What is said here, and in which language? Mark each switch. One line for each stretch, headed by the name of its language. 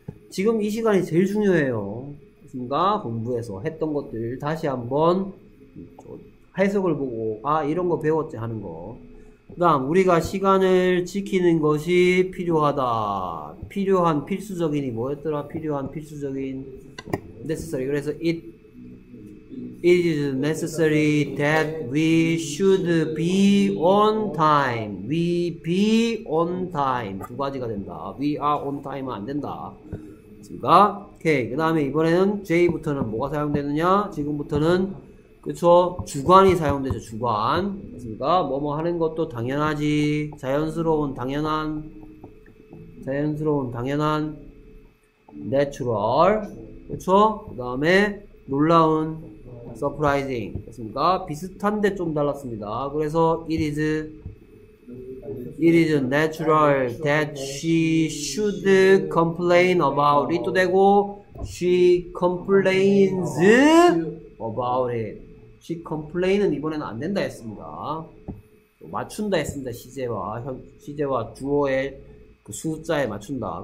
Korean: 지금 이 시간이 제일 중요해요. 그렇습니까? 공부해서 했던 것들 다시 한번 해석을 보고 아 이런 거 배웠지 하는 거. 그다음 우리가 시간을 지키는 것이 필요하다. 필요한 필수적인이 뭐였더라? 필요한 필수적인 necessary. 그래서
English: it is necessary that we should be on time. We be on time.
Korean: 두 가지가 된다.
English: We are on time
Korean: 안 된다. 됐습니까? 오케이. 그다음에 이번에는 J부터는 뭐가 사용되느냐? 지금부터는 그쵸? 주관이 사용되죠. 주관. 그니까, 뭐뭐 하는 것도 당연하지. 자연스러운, 당연한, natural. 그쵸? 그 다음에, 놀라운, surprising. 그렇습니까? 비슷한데 좀 달랐습니다.
English: 그래서, it is natural that she should complain about it도 되고, she complains about it.
Korean: She complain은 이번에는 안 된다 했습니다. 맞춘다 했습니다. 시제와 주어의 그 숫자에 맞춘다.